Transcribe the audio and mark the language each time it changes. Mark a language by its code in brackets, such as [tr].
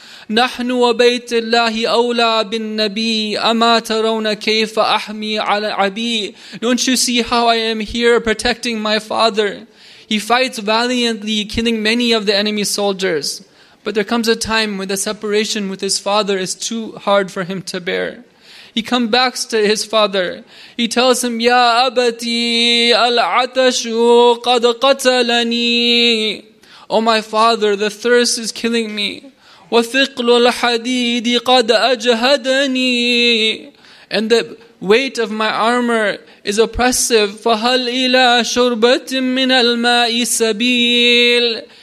[ar] نَحْنُ وَبَيْتِ اللَّهِ أَوْلَى بِالنَّبِيِّ أَمَا تَرَوْنَ كَيْفَ أَحْمِي عَلَى عَبِيِّ. [en] Don't you see how I am here protecting my father? He fights valiantly, killing many of the enemy soldiers. But there comes a time when the separation with his father is too hard for him to bear. He comes back to his father. He tells him, [ar] يَا أَبَتِي الْعَتَشُ قَدْ قَتَلَنِي. [en] Oh my father, the thirst is killing me. [ar] وَثِقْلُ الْحَدِيدِ قَدْ أَجْهَدَنِي. [en] And the weight of my armor is oppressive. [ar] فَهَلْ إِلَى شُرْبَةٍ مِّنَ الْمَاءِ سَبِيلٍ.